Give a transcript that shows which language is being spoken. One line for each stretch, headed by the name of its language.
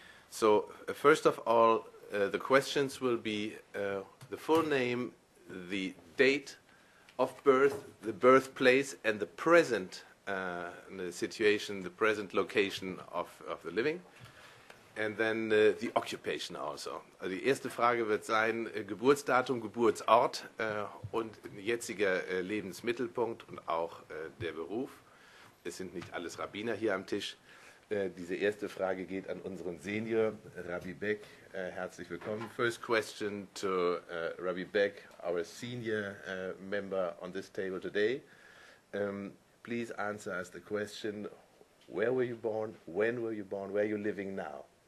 English: So, first of all, the questions will be the full name, the date of birth, the birthplace, and the present situation, the present location of the living, and then the occupation also.
German: Also die erste Frage wird sein, Geburtsdatum, Geburtsort und jetziger Lebensmittelpunkt und auch der Beruf. Es sind nicht alles Rabbiner hier am Tisch. Diese erste Frage geht an unseren Senior, Rabbi Beck. Herzlich willkommen.
English: First question to Rabbi Beck, our senior member on this table today. Please answer us the question, where were you born, when were you born, where are you living now?